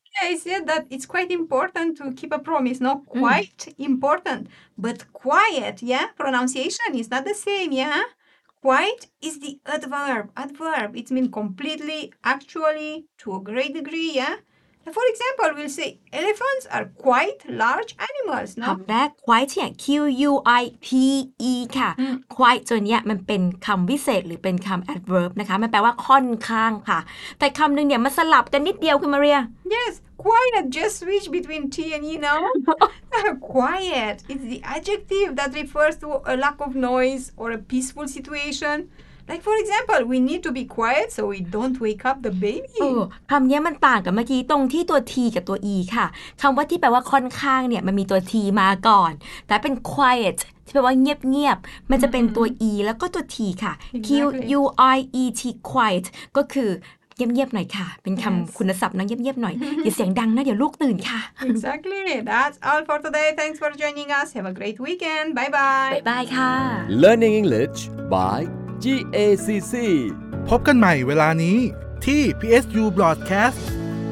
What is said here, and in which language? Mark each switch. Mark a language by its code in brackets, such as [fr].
[en] yeah, I said that it's quite important to keep a promise not quite important but quiet yeah pronunciation is not the same yeah quite is the adverb it means completely actually to a great degree yeahFor example, we'll say elephants are quite large animals. [th] คำแรก quite เนี่ย quite ค่ะ quite ตัวเนี้ยมันเป็นคำวิเศษหรือเป็นคำ adverb นะคะมันแปลว่าค่อนข้างค่ะแต่คำหนึ่งเนี่ยมันสลับกันนิดเดียวคุณมาเรีย [en] Yes, quiet just switch between T and E now. quiet is the adjective that refers to a lack of noise or a peaceful situation. Like for example we need to be quiet so we don't wake up the baby [th] เออคำนี้มันต่างกับเมื่อกี้ตรงที่ตัว T กับตัว E ค่ะคำว่าที่แปลว่าค่อนข้างเนี่ยมันมีตัว T มาก่อนแต่เป็น quiet ที่แปลว่าเงียบๆมันจะเป็นตัว E แล้วก็ตัว T ค่ะ quiet quiet ก็คือเงียบๆหน่อยค่ะเป็นคำ yes. คุณศัพท์นะเงียบๆหน่อย อย่าเสียงดังนะเดี๋ยวลูกตื่นค่ะ [en] Exactly That's all for today Thanks for joining us Have a great weekend Bye bye Bye bye [th] ค่ะ [en] Learning English by GACC [th] พบกันใหม่เวลานี้ที่ PSU Broadcast